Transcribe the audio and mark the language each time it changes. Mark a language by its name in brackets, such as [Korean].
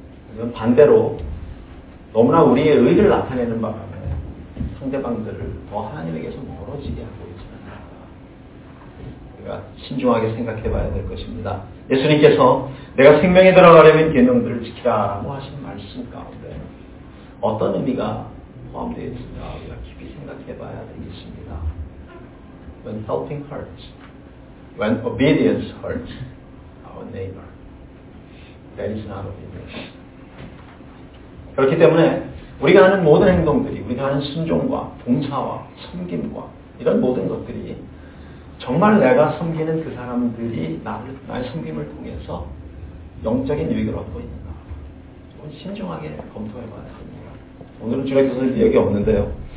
[Korean] 아니면 반대로 너무나 우리의 의를 나타내는 바람에 상대방들을 더 하나님에게서 멀어지게 하고 있지 않나? 우리가 신중하게 생각해 봐야 될 것입니다. 예수님께서 내가 생명에 들어가려면 계명들을 지키라 라고 하신 말씀 가운데 어떤 의미가 포함되어 있습니다. 우리가 깊이 생각해 봐야 되겠습니다. [English] When helping hurts, when obedience hurts our neighbor, that is not obedience. [Korean] 그렇기 때문에 우리가 하는 모든 행동들이, 우리가 하는 순종과 봉사와 섬김과 이런 모든 것들이 정말 내가 섬기는 그 사람들이 나의 섬김을 통해서 영적인 유익을 얻고 있는가? 이건 신중하게 검토해 봐야 합니다. 오늘은 주일학교에서 얘기 없는데요.